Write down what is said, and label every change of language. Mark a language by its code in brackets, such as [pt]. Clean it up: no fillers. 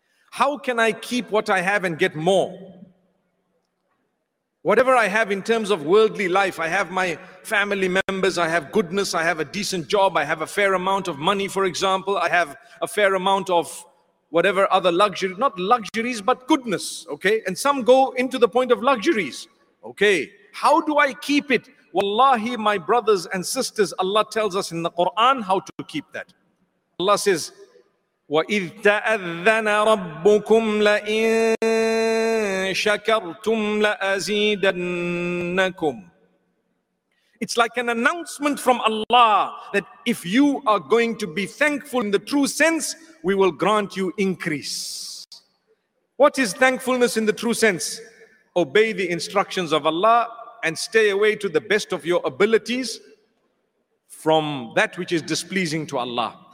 [en] How can I keep what I have and get more? Whatever I have in terms of worldly life, I have my family members, I have goodness, I have a decent job, I have a fair amount of money, for example, I have a fair amount of whatever other luxury, not luxuries, but goodness, okay? And some go into the point of luxuries, okay? How do I keep it? Wallahi, my brothers and sisters, Allah tells us in the Quran how to keep that. Allah says, [ar] وَإِذْ تَأَذَّنَ رَبُّكُمْ لَإِن شَكَرْتُمْ لَأَزِيدَنَّكُمْ. [en] It's like an announcement from Allah that if you are going to be thankful in the true sense, we will grant you increase. What is thankfulness in the true sense? Obey the instructions of Allah and stay away to the best of your abilities from that which is displeasing to Allah.